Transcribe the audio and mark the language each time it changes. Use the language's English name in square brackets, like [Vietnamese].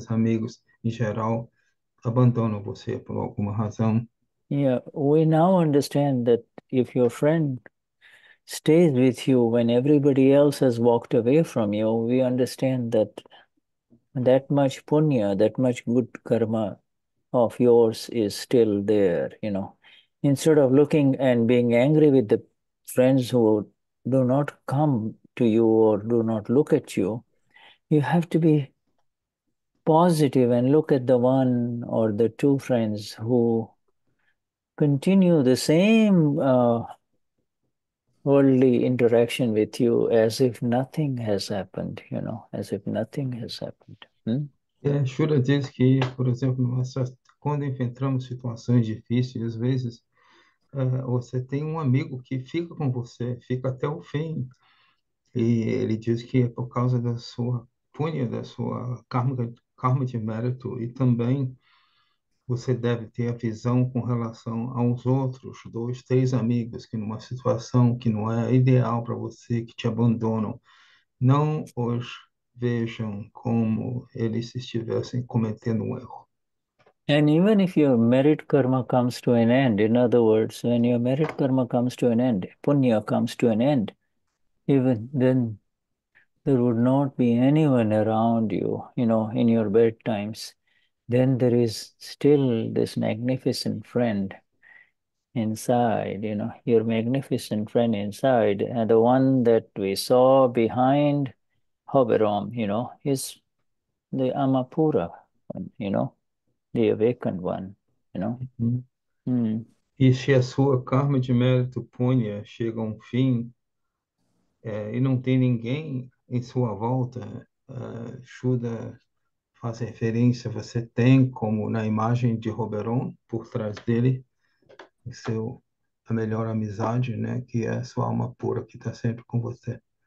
[Portuguese] Esses amigos, em geral, abandonam você por alguma razão. [English] We now understand that if your friend stays with you when everybody else has walked away from you, we understand that that much punya, that much good karma of yours is still there, you know. Instead of looking and being angry with the friends who do not come to you or do not look at you, you have to be positive and look at the one or the two friends who continue the same worldly interaction with you as if nothing has happened, you know, as if nothing has happened. [Portuguese] Shuddha diz que, por exemplo, quando enfrentamos situações difíceis, às vezes você tem um amigo que fica com você, fica até o fim. E ele diz que é por causa da sua punha, da sua karma de mérito, e também você deve ter a visão com relação aos outros dois, três amigos que numa situação que não é ideal para você, que te abandonam, não os vejam como eles estivessem cometendo um erro. [English] And even if your merit karma comes to an end, in other words, when your merit karma comes to an end, punya comes to an end, even then there would not be anyone around you, you know, in your bad times, then there is still this magnificent friend inside, you know, your magnificent friend inside, and the one that we saw behind Hoveram, you know, is the Amapura, you know, the awakened one, you know. Mm-hmm. [Portuguese] E se a sua karma de mérito punha chega a um fim, e não tem ninguém em sua volta, Shuddha faz referência, você tem como na imagem de Oberon, por trás dele, seu, a melhor amizade, né, que é a sua alma pura, que está sempre com você.